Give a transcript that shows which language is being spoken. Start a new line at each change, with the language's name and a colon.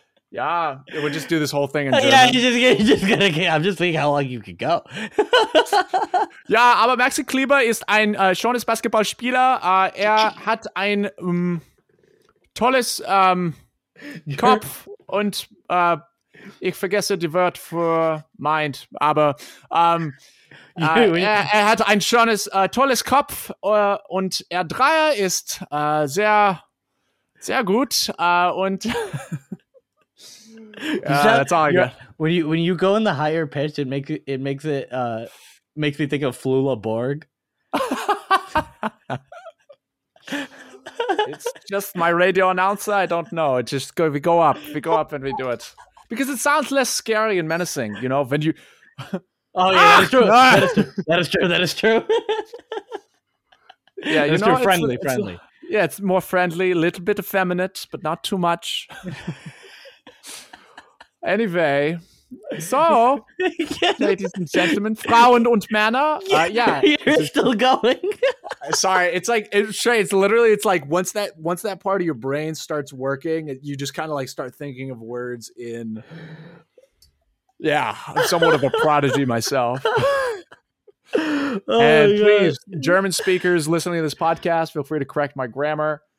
English: Yeah, we'll just do this whole thing in German. Yeah, you're just gonna get, I'm just thinking how long you could go.
German: Yeah, aber Maxi Kleber ist ein schönes Basketballspieler. Hat ein tolles Kopf und ich vergesse die Wort für Mind, aber hat ein schönes, tolles Kopf und Dreier ist sehr, sehr gut.
English: Und that's all I got. When you go in the higher pitch, it makes me think of Flula Borg. It's just my radio announcer. I don't know. It just we go up. We go up and we do it because it sounds less scary and menacing. You know when you. Oh yeah, that is true. That is true. Yeah, you know, true. Friendly. Yeah, it's more friendly, a little bit effeminate, but not too much. Anyway, so ladies and gentlemen,
German: Frauen und Männer.
English: You're still going. Sorry, it's like it's literally like once that part of your brain starts working, you just kind of like start thinking of words in. Yeah, I'm somewhat of a prodigy myself. Oh, and my please, German speakers listening to this podcast, feel free to correct my grammar.